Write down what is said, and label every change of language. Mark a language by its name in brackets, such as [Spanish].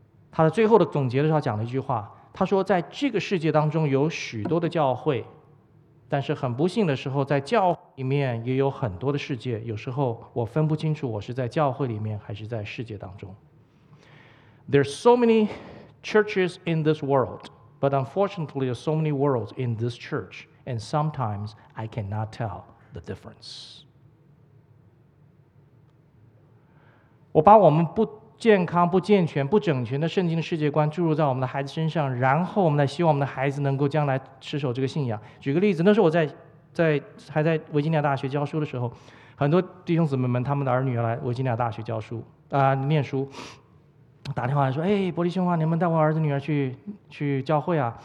[Chinese] 他在最后的总结的时候讲了一句话，他说在这个世界当中有许多的教会，但是很不幸的时候，在教会里面也有很多的世界，有时候我分不清楚我是在教会里面还是在世界当中。 [English] There's so many churches in this world, but unfortunately there's so many worlds in this church, and sometimes I cannot tell the difference. [Chinese] 我把我们不健康不健全不整全的圣经的世界观注入在我们的孩子身上，然后我们来希望我们的孩子能够将来持守这个信仰。举个例子，那时候我在还在维吉尼亚大学教书的时候，很多弟兄姊妹们他们的儿女来维吉尼亚大学教书念书，打电话说哎，伯利兄啊，你们带我儿子女儿去教会啊？